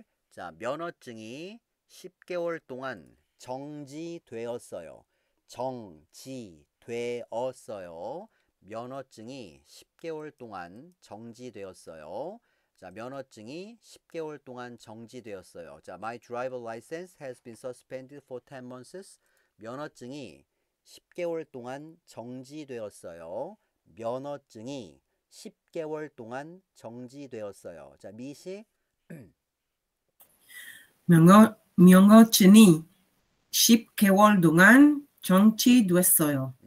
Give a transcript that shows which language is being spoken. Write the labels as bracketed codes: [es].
[ko] 자, 면허증이 10개월 동안 정지되었어요. 정지되었어요. 면허증이 10개월 동안 정지되었어요. 자, 면허증이 10개월 동안 정지되었어요. [en] 자, my driver license has been suspended for 10 months. [ko] 면허증이 10개월 동안 정지되었어요. 면허증이 10개월 동안 정지되었어요. 자, 미시. 명어치니 10개월 동안 정치됐어요.